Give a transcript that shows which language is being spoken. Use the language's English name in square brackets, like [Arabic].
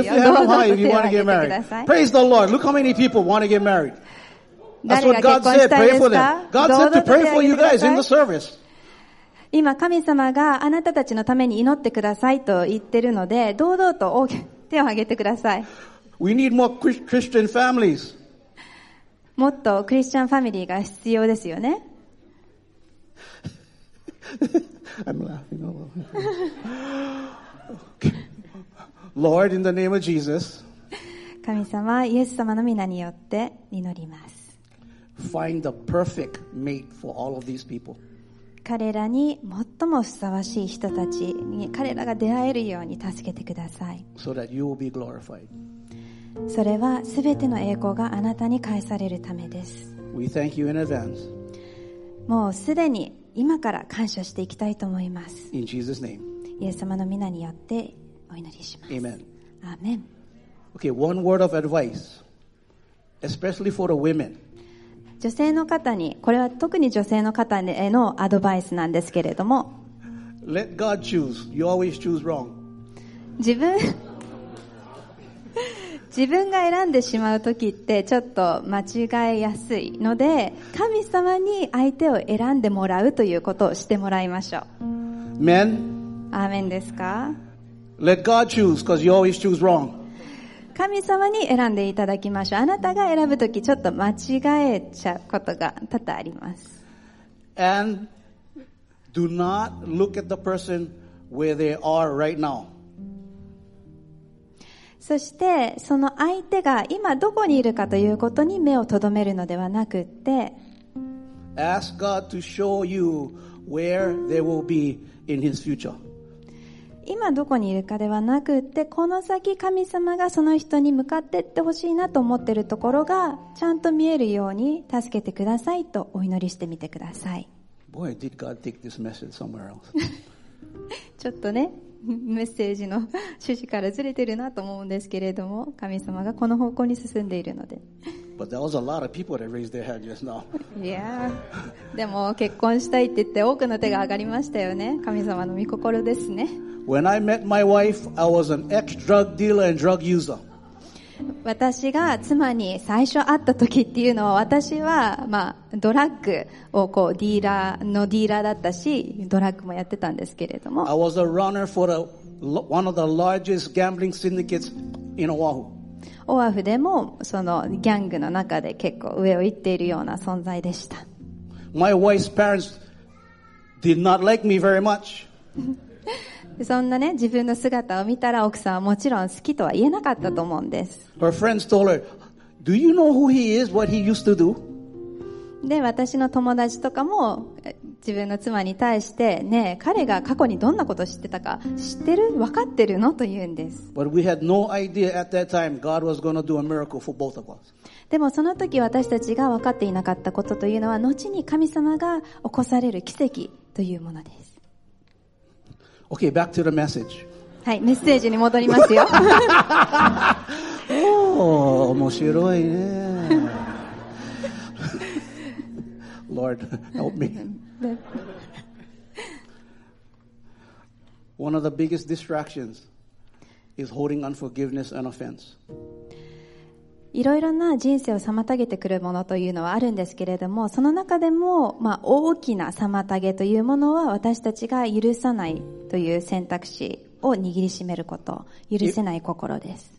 [English] Lift your hand up high if you want to get married. Praise the Lord. Look how many people want to get married. That's what God said. Pray for them. God said to pray for you guys in the service. [Japanese] 今神様があなたたちのために祈ってくださいと言ってるので、堂々と手を挙げてください。 [English] We need more Christian families. [Japanese] もっとクリスチャンファミリーが必要ですよね。 [English] I'm laughing a little. Okay. Lord, in the name of Jesus. [Japanese] 神様、イエス様の皆によって祈ります。 [English] Find the perfect mate for all of these people. [Japanese] 彼らに最もふさわしい人たちに彼らが出会えるように助けてください。 [English] So that you will be glorified. [Japanese] それはすべての栄光があなたに返されるためです。 [English] We thank you in advance. [Japanese] もうすでに今から感謝していきたいと思います。 [English] In Jesus name. [Japanese] イエス様の皆によってお祈りします。 [English] Amen. Amen. Okay, one word of advice, especially for the women. [Japanese] 女性の方に、これは特に女性の方へのアドバイスなんですけれども。 [English] Let God choose. You always choose wrong. [Japanese] 自分が選んでしまうときってちょっと間違えやすいので神様に相手を選んでもらうということをしてもらいましょう。 [English] Men? [Japanese] アーメンですか? [English] Let God choose, because you always choose wrong. [Japanese] 神様に選んでいただきましょう。あなたが選ぶときちょっと間違えちゃうことが多々あります。 [English] And do not look at the person where they are right now. [Japanese] そしてその相手が今どこにいるかということに目をとどめるのではなくて [English] Ask God to show you where they will be in his future. [Japanese] 今どこにいるかではなくてこの先神様がその人に向かっていってほしいなと思っているところがちゃんと見えるように助けてくださいとお祈りしてみてください。 [English] Boy, did God take this message somewhere else? [Japanese] ちょっとねメッセージの趣旨からずれてるなと思うんですけれども神様がこの方向に進んでいるので [English] But there was a lot of people that raised their hand just now. Yeah. [Japanese] でも結婚したいって言って多くの手が上がりましたよね。神様の御心ですね。 [English] When I met my wife, I was an ex-drug dealer and drug user. [Japanese] 私が妻に最初会った時っていうのは、私はまあドラッグをこうディーラーのディーラーだったし、ドラッグもやってたんですけれども、 [English] I was a runner for one of the largest gambling syndicates in Oahu。 [Japanese] オアフでもそのギャングの中で結構上を行っているような存在でした。 [English] My wife's parents did not like me very much。 [Japanese] そんなね、自分の姿を見たら奥さんはもちろん好きとは言えなかったと思うんです。 [English] Her friends told her, Do you know who he is, what he used to do? [Japanese] で、私の友達とかも自分の妻に対して、ねえ、彼が過去にどんなことを知ってたか知ってる、分かってるの、と言うんです。 [English] But we had no idea at that time God was going to do a miracle for both of us。 [Japanese] でもその時私たちが分かっていなかったことというのは、後に神様が起こされる奇跡というものです。 [English] Okay, back to the message。 [Japanese] はい、メッセージに戻りますよ。おー、面白いね。 [English] Lord, help me. One of the biggest distractions is holding unforgiveness and offense. [Japanese] いろいろな人生を妨げてくるものというのはあるんですけれども、その中でも、まあ、大きな妨げというものは、私たちが許さないという選択肢を握りしめること、許せない心です。